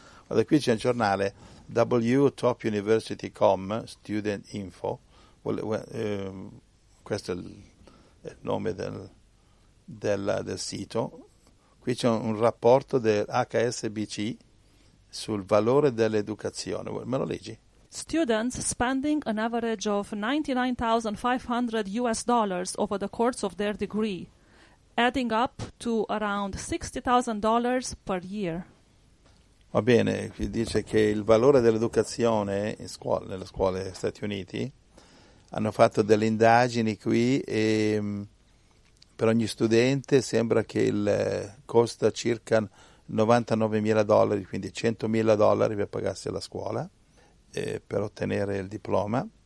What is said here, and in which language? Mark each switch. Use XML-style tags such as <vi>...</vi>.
<it>Guarda, qui c'è un giornale, WTopUniversity.com, Student Info, questo è il nome del sito. Qui c'è un rapporto dell'HSBC sul valore dell'educazione. Me lo leggi?</it> <en>Students spending an average of $99,500 over the course of their degree, adding up to around $60,000 per year.</en> <it>Va bene, qui dice che il valore dell'educazione in scuola, nelle scuole degli Stati Uniti, hanno fatto delle indagini qui, e per ogni studente sembra che costa circa $99,000, quindi $100,000 per pagarsi la scuola, per ottenere il diploma.</it>